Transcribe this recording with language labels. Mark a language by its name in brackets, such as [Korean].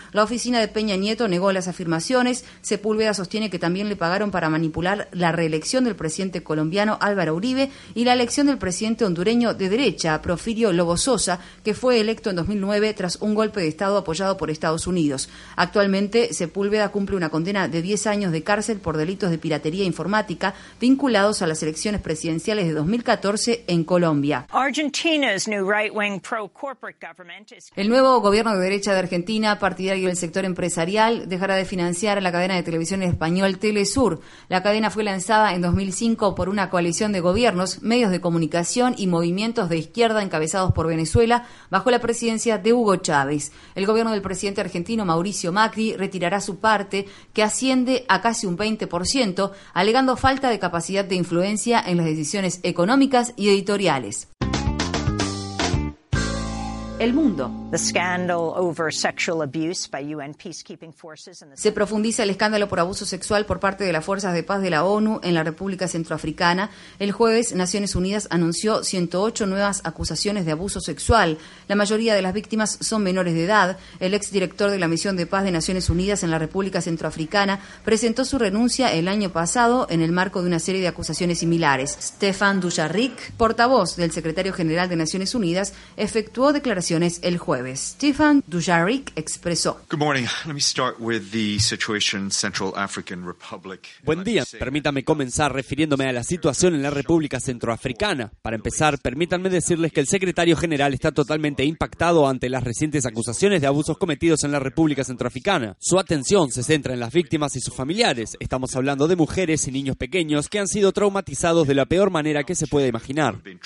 [Spanish] La oficina de Peña Nieto negó las afirmaciones. Sepúlveda sostiene que también le pagaron para manipular la reelección del presidente colombiano Álvaro Uribe y la elección del presidente hondureño de derecha, Porfirio Lobo Sosa, que fue electo en 2009 tras un golpe de Estado apoyado por Estados Unidos. Actualmente, Sepúlveda cumple una condena de 10 años de cárcel por delitos de piratería informática vinculados a las elecciones presidenciales de 2014 en Colombia. [English] Argentina's new right-wing pro-corporate government is... [Spanish] El nuevo gobierno de derecha de Argentina, partidario del sector empresarial, dejará de financiar a la cadena de televisión español Telesur. La cadena fue lanzada en 2005 por una coalición de gobiernos, medios de comunicación y movimientos de izquierda encabezados por Venezuela bajo la presidencia de Hugo Chávez. El gobierno del presidente argentino Mauricio Macri retirará su parte, que asciende a casi un 20%, alegando falta de capacidad de influencia en las decisiones económicas y editoriales. El mundo. [English] The scandal over sexual abuse by UN peacekeeping forces in the... [Spanish] Se profundiza el escándalo por abuso sexual por parte de las fuerzas de paz de la ONU en la República Centroafricana. El jueves, Naciones Unidas anunció 108 nuevas acusaciones de abuso sexual. La mayoría de las víctimas son menores de edad. El exdirector de la Misión de Paz de Naciones Unidas en la República Centroafricana presentó su renuncia el año pasado en el marco de una serie de acusaciones similares. Stefan Dujarric, portavoz del secretario general de Naciones Unidas, efectuó declaraciones el jueves. Stefan Dujarric expresó: [English] Good morning. Let me start with the situation in Central African Republic. [Spanish] Buen día. Permítame comenzar refiriéndome a la situación en la República Centroafricana. Para empezar, permítanme decirles que el secretario general está totalmente impactado ante las recientes acusaciones de abusos cometidos en la República Centroafricana. Su atención se centra en las víctimas y sus familiares. Estamos hablando de mujeres y niños pequeños que han sido traumatizados de la peor manera que se puede imaginar.